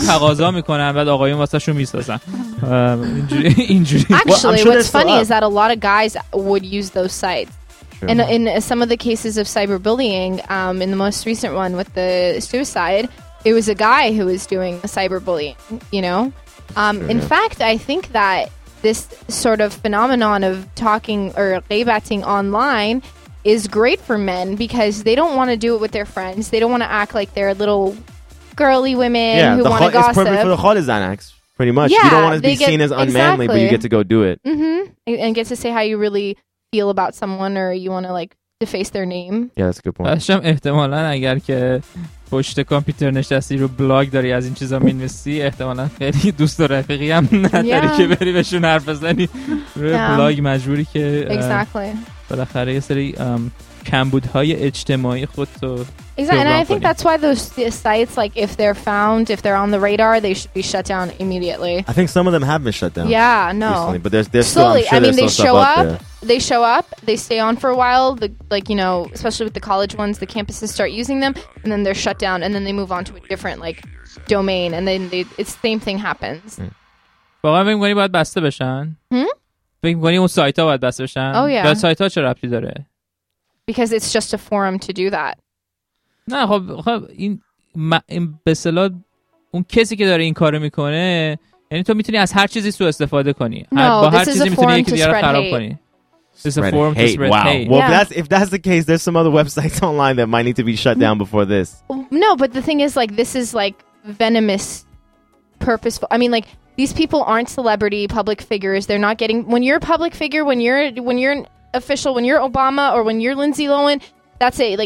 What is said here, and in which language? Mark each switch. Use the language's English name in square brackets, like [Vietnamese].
[Persian] تقاضا میکنن بعد آقایون واسه شون میسازن. اینجوری. [English] Actually, what's funny is that a lot of guys would use those sites. And in some of the cases of cyberbullying, in the most recent one with the suicide, it was a guy who was doing cyberbullying, you know? In fact, I think that this sort of phenomenon of talking or غیبتting online is great for men because they don't want to do it with their friends. They don't want to act like they're little girly women who want to gossip. It's perfect for the خاله زنک, pretty much. Yeah, you don't want to be seen as unmanly, exactly. But you get to go do it. Mm-hmm. And get to say how you really feel about someone or you want to like deface their name. Yeah, that's a good point. [Persian] احتمالاً اگر که پشت کامپیوتر نشستی رو بلاگ داری از این چیزا مینویسی، احتمالاً خیلی دوست و رفیقی هم نداری که بری بهشون حرف بزنی روی بلاگ، مجبوری که بالاخره یه سری کمبودهای اجتماعی خودتو. [English] Exactly, and I think that's why those sites, like, if they're found, if they're on the radar, they should be shut down immediately. I think some of them have been shut down. Yeah, no. Recently, but there's still, slowly, I'm sure, I mean, they show up, there. They show up, they stay on for a while, the, like, you know, especially with the college ones, the campuses start using them, and then they're shut down, and then they move on to a different, like, domain, and then they, it's the same thing happens. Well, I mean, when you have to be shut down, when you have to be shut down, oh, yeah. What's the problem with the site? Because it's just a forum to do that. [Persian] نه خب این به اصطلاح اون کسی که داره این کارو میکنه، یعنی تو میتونی از هر چیزی سوء استفاده کنی. [English] No, [Persian] با هر چیزی میتونی یک دیگر رو خراب کنی. [English] It's a forum to spread hate. Wow. Well, yeah. if that's the case, there's some other websites online that might need to be shut down before this. No, but the thing is, like, this is like venomous, purposeful. I mean, like, these people aren't celebrity public figures. They're not getting, when you're a public figure, when you're an official, when you're Obama or when you're Lindsay Lohan, that's it.